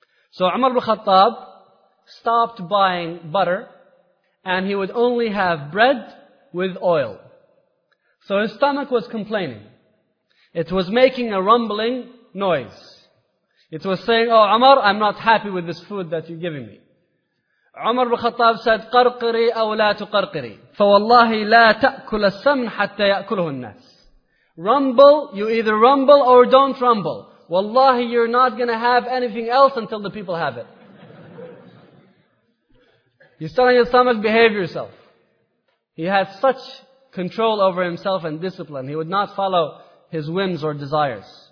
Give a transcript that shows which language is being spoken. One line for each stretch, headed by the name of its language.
English: So Umar ibn Khattab stopped buying butter and he would only have bread with oil. So his stomach was complaining. It was making a rumbling noise. It was saying, oh Umar, I'm not happy with this food that you're giving me. Umar ibn Khattab said,
Arabic: قرقري أو لا تقرقري فوالله لا تأكل السمن حتى يأكله الناس.
English: Rumble, you either rumble or don't rumble. Wallahi, you're not going to have anything else until the people have it. You're telling your stomach, behave yourself. He had such control over himself and discipline. He would not follow his whims or desires.